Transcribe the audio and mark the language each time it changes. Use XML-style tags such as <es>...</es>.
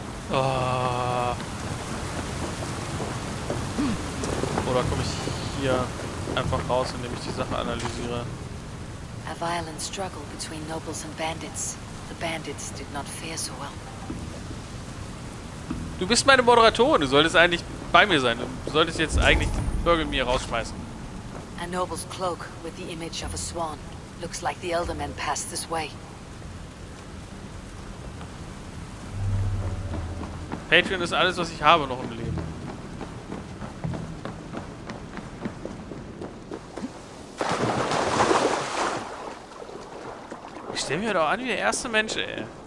<de>Oder komme ich hier einfach raus, indem ich die Sache analysiere?</de> <en>A violent struggle between nobles and bandits. The bandits did not fare so well.</en> <de>Du bist meine Moderatorin, du solltest eigentlich bei mir sein. Du solltest jetzt eigentlich den Bürger mir rausschmeißen.</de> <en>A noble's cloak with the image of a swan. Looks like the elder men passed this way.</en> <de>Patreon ist alles, was ich habe noch im Leben. Ich stell mir doch an wie der erste Mensch, ey.</de>